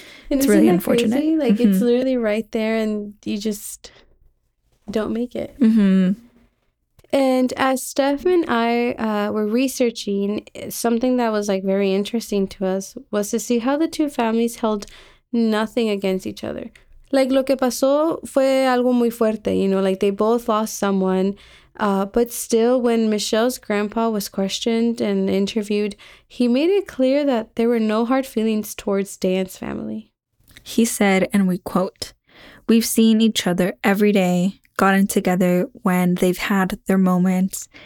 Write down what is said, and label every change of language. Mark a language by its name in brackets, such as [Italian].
[English] it's really unfortunate. Crazy? Like, mm-hmm. It's literally right there and you just don't make it. Mm-hmm. And as Steph and I were researching, something that was like very interesting to us was to see how the two families held nothing against each other. Like, [Spanish] lo que pasó fue algo muy fuerte, [English] you know, like they both lost someone. But still, when Michelle's grandpa was questioned and interviewed, he made it clear that there were no hard feelings towards Dan's family. He said, and we quote, "We've seen each other every day, gotten together when they've had their moments.